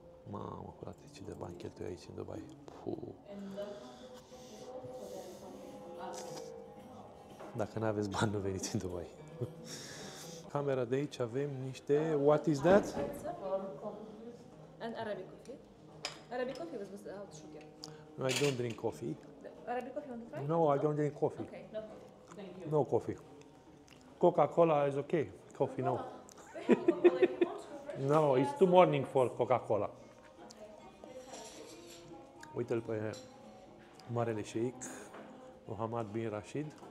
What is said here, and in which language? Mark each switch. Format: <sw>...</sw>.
<ro>Mamă, frate, ce de bani cheltui aici în Dubai. Puh. Dacă n-aveți bani, nu veniți în Dubai. Camera de aici avem niște...</ro> <en>What is that? And Arabic coffee. Arabic coffee was without sugar. No, I don't drink coffee. Arabic coffee on the fry? No, I don't drink coffee. Okay, no coffee. Thank you. No coffee. Coca-Cola is okay. Coffee, no. No, it's too morning for Coca-Cola.</en> <ro>Uite-l pe marele șeic, Mohammed bin Rashid.</ro>